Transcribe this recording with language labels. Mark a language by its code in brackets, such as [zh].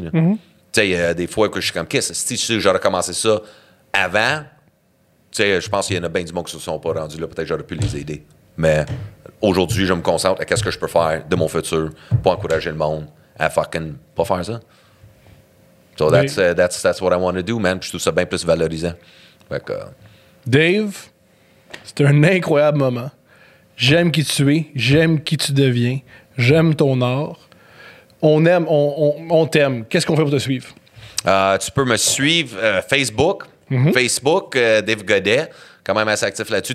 [fr] Mm-hmm. Tu sais, il y a des fois que je suis comme, qu'est-ce que si j'aurais commencé ça avant, tu sais, je pense qu'il y en a bien du monde qui ne se sont pas rendus là, peut-être j'aurais pu les aider. Mais aujourd'hui, je me concentre à qu'est-ce que je peux faire de mon futur pour encourager le monde à fucking pas faire ça. [en] So that's what I want to do, man. [fr] Puis je trouve ça bien plus valorisant. Fait que, Dave, c'était un incroyable moment. J'aime qui tu es. J'aime qui tu deviens. J'aime ton art. On aime, on t'aime. Qu'est-ce qu'on fait pour te suivre? Tu peux me suivre Facebook. Mm-hmm. Facebook, Dave Godet. Quand même assez actif là-dessus.